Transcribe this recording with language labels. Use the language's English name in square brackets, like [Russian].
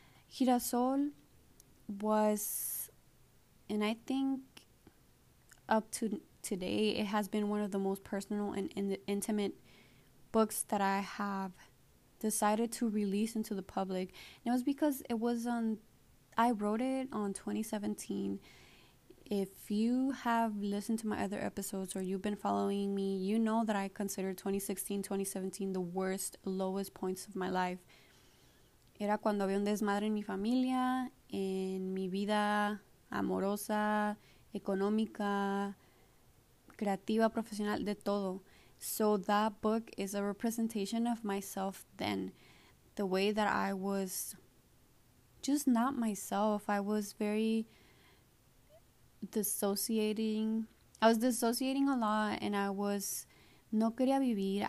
[English] Girasol was, and I think up to today, it has been one of the most personal and intimate books that I have decided to release into the public. And it was because it was on, I wrote it on 2017. If you have listened to my other episodes or you've been following me, you know that I consider 2016, 2017 the worst, lowest points of my life. [Spanish] Era cuando había un desmadre en mi familia, en mi vida amorosa, económica, creativa, profesional, de todo. [English] So that book is a representation of myself then, the way that I was just not myself. I was very dissociating. I was dissociating a lot and I was [Spanish] no quería vivir.